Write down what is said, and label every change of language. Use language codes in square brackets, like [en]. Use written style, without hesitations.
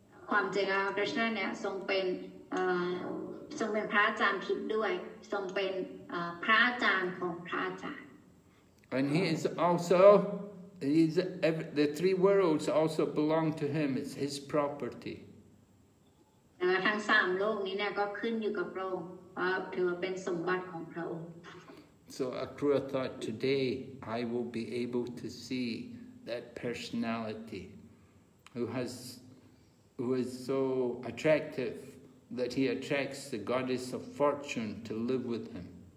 [en] And he is also, the three worlds also belong to him, it's his property. [th] ทั้ง 3 โลกนี้เนี่ยก็ขึ้นอยู่กับพระองค์ถือว่าเป็นสมบัติของพระองค์ [en] So Akrura thought, today I will be able to see that personality who is so attractive that he attracts the goddess of fortune to live with him.